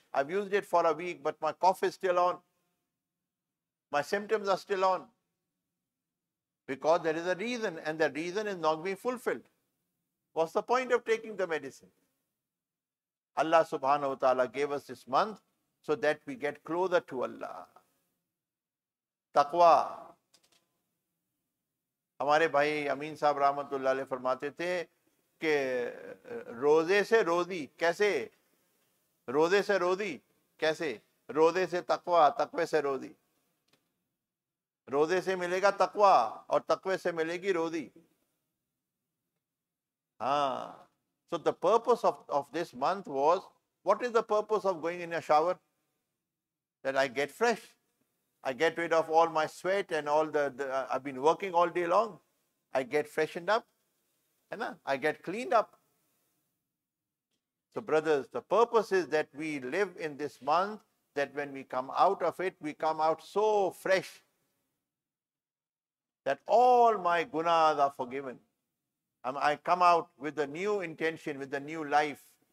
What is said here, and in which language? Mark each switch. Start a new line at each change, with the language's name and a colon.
English: I've used it for a week, but my cough is still on. My symptoms are still on. Because there is a reason, and that reason is not being fulfilled. What's the point of taking the medicine? Allah subhanahu wa ta'ala gave us this month so that we get closer to Allah. Taqwa.
Urdu: ہمارے بھائی امین صاحب رحمۃ اللہ علیہ فرماتے تھے کہ روزے سے روزی کیسے روزے سے روزی کیسے روزے سے تقوی تقوی سے روزی روزے سے ملے گا تقوی اور تقوی سے ملے گی روزی
English: ہاں so the purpose of this month was what is the purpose of going in a shower that I get fresh I get rid of all my sweat and all I've been working all day long. I get freshened up. And I get cleaned up. So brothers, the purpose is that we live in this month, that when we come out of it, we come out so fresh that all my gunas are forgiven. I come out with a new intention, with a new life.